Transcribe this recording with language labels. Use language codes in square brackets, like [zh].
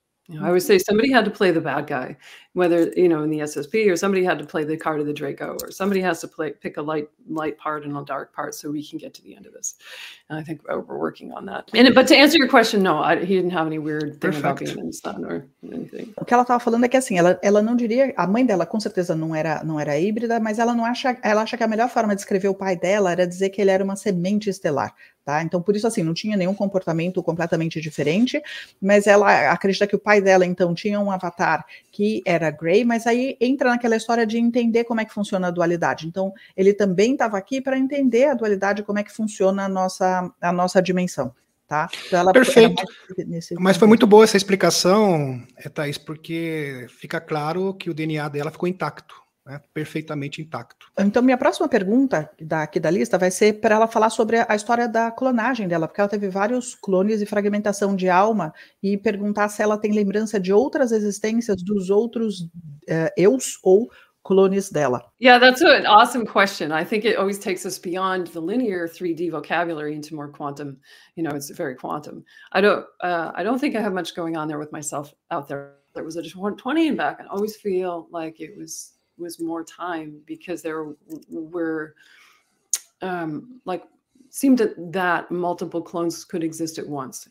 [en] You know, I would say somebody had to play the bad guy, whether, you know, in the SSP, or somebody had to play the card of the Draco, or somebody has to pick a light part and a dark part so we can get to the end of this. And I think we're working on that. But to answer your question, no, he didn't have any weird thing about being in the sun or anything. [pt] O que ela estava falando é que, assim, ela não diria, a mãe dela com certeza não era híbrida, mas ela acha que a melhor forma de descrever o pai dela era dizer que ele era uma semente estelar. Tá? Então, por isso, assim, não tinha nenhum comportamento completamente diferente, mas ela acredita que o pai dela, então, tinha um avatar que era gray, mas aí entra naquela história de entender como é que funciona a dualidade. Então, ele também estava aqui para entender a dualidade, como é que funciona a nossa dimensão. Tá? Então, ela perfeito. Mas foi muito boa essa explicação, Thaís, porque fica claro que o DNA dela ficou intacto. Né, perfeitamente intacto. Então, minha próxima pergunta aqui da lista vai ser para ela falar sobre a história da clonagem dela, porque ela teve vários clones e fragmentação de alma, e perguntar se ela tem lembrança de outras existências dos outros eus ou clones dela. [en] Yeah, that's an awesome question. I think it always takes us beyond the linear 3D vocabulary into more quantum. You know, it's very quantum. I don't think I have much going on there with myself out there. There was a 20 and back, and I always feel like it was more time because there were seemed that multiple clones could exist at once.